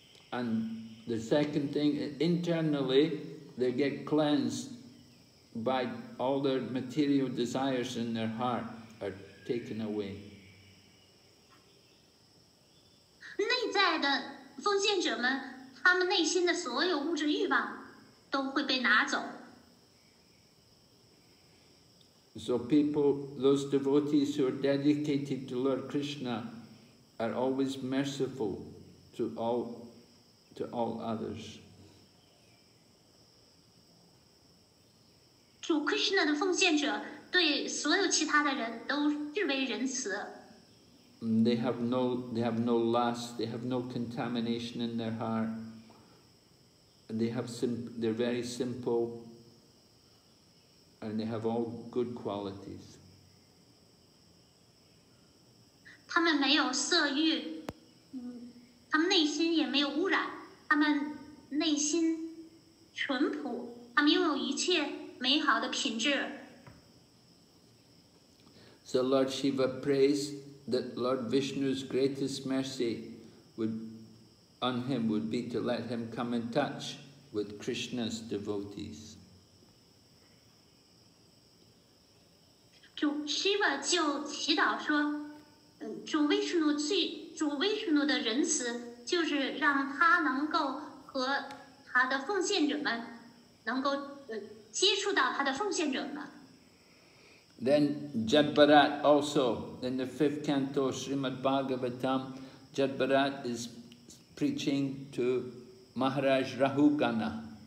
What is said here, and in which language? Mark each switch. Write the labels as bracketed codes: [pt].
[en] And the second thing, internally, they get cleansed by all their material desires in their heart are taken away. [zh] 代的奉献者们，他们内心的所有物质欲望都会被拿走。 [en] So people, those devotees who are dedicated to Lord Krishna are always merciful to all others. [zh] 主 Krishna 的奉献者对所有其他的人都视为仁慈。 [en] They have no lust, they have no contamination in their heart. They're very simple. And they have all good qualities. [zh] 他们没有色欲，他们内心也没有污染，他们内心淳朴，他们拥有一切美好的品质。 [en] So Lord Shiva prays that Lord Vishnu's greatest mercy would on him would be to let him come in touch with Krishna's devotees. [zh] 主 Shiva 就祈祷说，主威士努的仁慈就是让他能够和他的奉献者们能够接触到他的奉献者们。 [en] Then Jadbharat also in the fifth canto Srimad Bhagavatam, Jadbharat is preaching to Maharaj Rahugana.